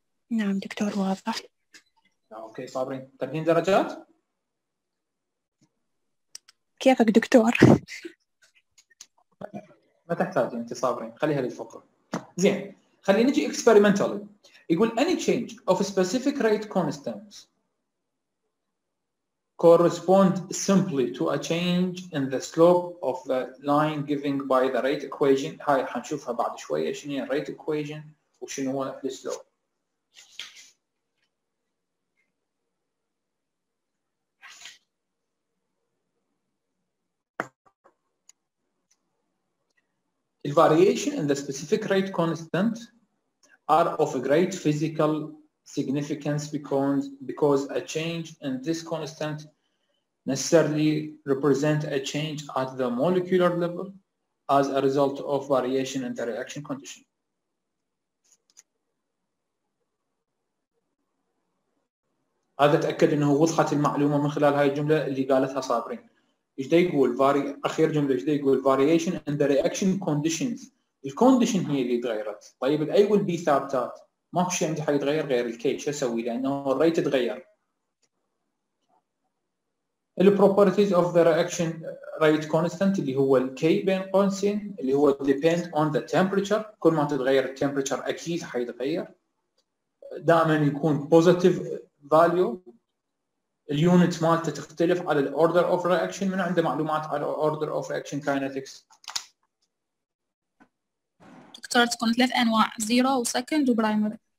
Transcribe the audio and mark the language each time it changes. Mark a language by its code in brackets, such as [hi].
[ar] نعم دكتور واضح. أوكي صابرين تبين درجات؟ كيفك دكتور؟ ما تحتاجين أنت صابرين خليها للفقرة. زين خلينا نجي experimentally. [en] يقول any change of specific rate constants correspond simply to a change in the slope of the line given by the rate equation. [ar] هاي حنشوفها بعد شوية شنو هي rate equation وشنو هو the slope. [en] The variation in the specific rate constant are of a great physical significance because a change in this constant necessarily represent a change at the molecular level as a result of variation in the reaction condition. [ar] هذا تأكد انه وضحت المعلومة من خلال هاي الجملة اللي قالتها صابرين. إيش ده يقول أخير جملة إيش ده يقول [en] variation in the reaction conditions. [ar] الكونديشن هي اللي تغيرت. طيب الأي والبي ثابتات ما هو شيء عندي حاجة تغير غير الكي شو أسوي لأنه الريت تغير. [en] The properties of the reaction rate constant [ar] اللي هو الكي بين قوسين اللي هو [en] depend on the temperature. [ar] كل ما تتغير temperature أكيد حيتغير. دائما يكون positive value. اليونت مالته تختلف على الاوردر اوف رياكشن. من عنده معلومات على الاوردر اوف رياكشن كاينتكس دكتور؟ تكون ثلاث انواع زيرو وسكند وبرايمري.